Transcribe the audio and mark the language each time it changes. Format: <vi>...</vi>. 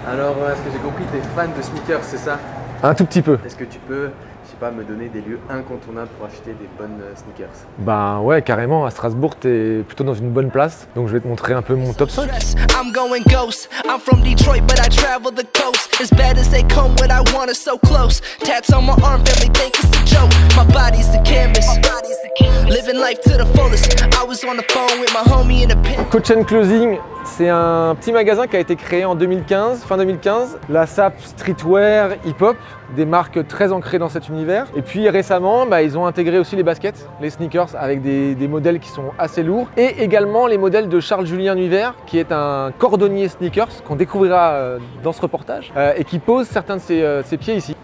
<fr>Alors, est-ce que j'ai compris, t'es fan de sneakers, c'est ça? Un tout petit peu. Est-ce que tu peux, je sais pas, me donner des lieux incontournables pour acheter des bonnes sneakers? Ben ouais, carrément, à Strasbourg, t'es plutôt dans une bonne place. Donc je vais te montrer un peu mon top 5.</fr> <en>I'm going ghost, I'm from Detroit but I travel the coast. As bad as they come when I want it so close. Tats on my arm, family think it's a joke. My body's a canvas. Living life to the fullest. I was on the phone with my homie in a pit. Coach and Closing.</en> <fr>C'est un petit magasin qui a été créé en 2015, fin 2015. La SAP Streetwear, Hip-Hop, des marques très ancrées dans cet univers. Et puis récemment, bah, ils ont intégré aussi les baskets, les sneakers, avec des modèles qui sont assez lourds. Et également les modèles de Charles-Julien Nuivert, qui est un cordonnier sneakers, qu'on découvrira dans ce reportage, et qui pose certains de ses pieds ici.</fr>